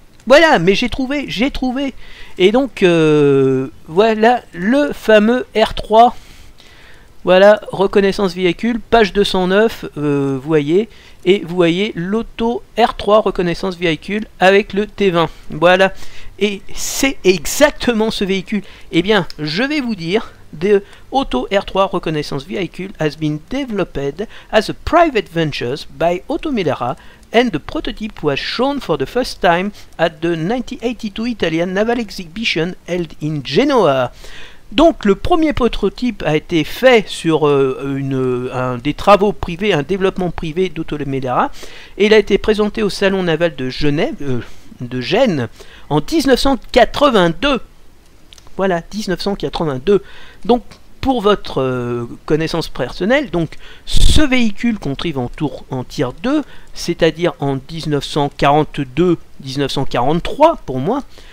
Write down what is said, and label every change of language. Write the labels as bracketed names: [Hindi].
[French] Voilà, mais j'ai trouvé. Et donc, voilà le fameux R3. Voilà, reconnaissance véhicule, page 209, voyez, et vous voyez l'auto R3 reconnaissance véhicule avec le T20. Voilà, et c'est exactement ce véhicule. Eh bien, je vais vous dire, [English] the auto R3 reconnaissance véhicule has been developed as a private venture by Automedera, and the prototype was shown for the first time at the 1982 Italian Naval Exhibition held in Genoa. [French] Donc, le premier prototype a été fait sur des travaux privés, un développement privé d'Automedera, et il a été présenté au Salon Naval de Genève, de Gênes, en 1982. Voilà, 1982. Donc, pour votre connaissance personnelle, donc, ce véhicule contrive en tir 2, c'est-à-dire en 1942-1943, pour moi.